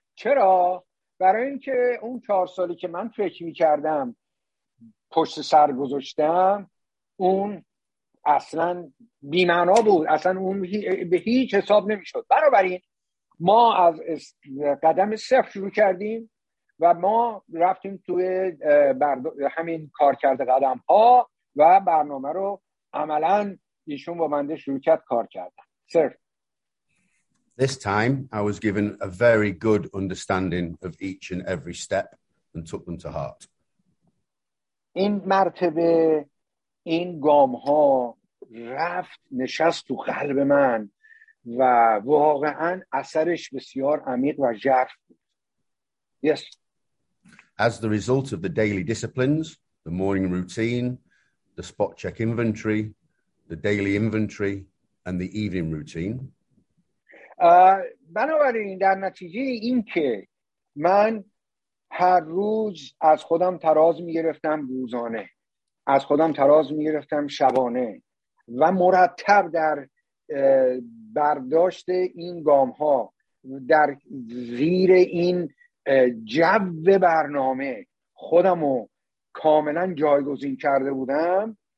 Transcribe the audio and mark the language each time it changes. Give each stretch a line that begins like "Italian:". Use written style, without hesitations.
Persian: چرا؟ برای اینکه اون 4 سالی که من فکر می‌کردم پشت سر گذاشتم، اون اصلا بی‌معنا بود، اصلا اون به هیچ حساب نمی‌شد. بنابراین ما از قدم صفر شروع کردیم و ما رفتیم توی همین کارکرد قدم‌ها و برنامه رو عملا ایشون با منده شروع کرد کار کردن.
English: صرف This time, I was given a very good understanding of each and every step and took them to heart.
Persian: این مرتبه این گام ها رفت نشست تو قلب من و واقعا اثرش بسیار عمیق و ژرف بود.
English: Yes. As the result of the daily disciplines, the morning routine, the spot check inventory, the daily inventory, and the evening routine,
Persian: بنابراین در نتیجه این که من هر روز از خودم تراز می گرفتم روزانه، از خودم تراز می گرفتم شبانه و مرتب در برداشت این گام ها در زیر این جو برنامه خودم رو کاملا جایگزین کرده بودم.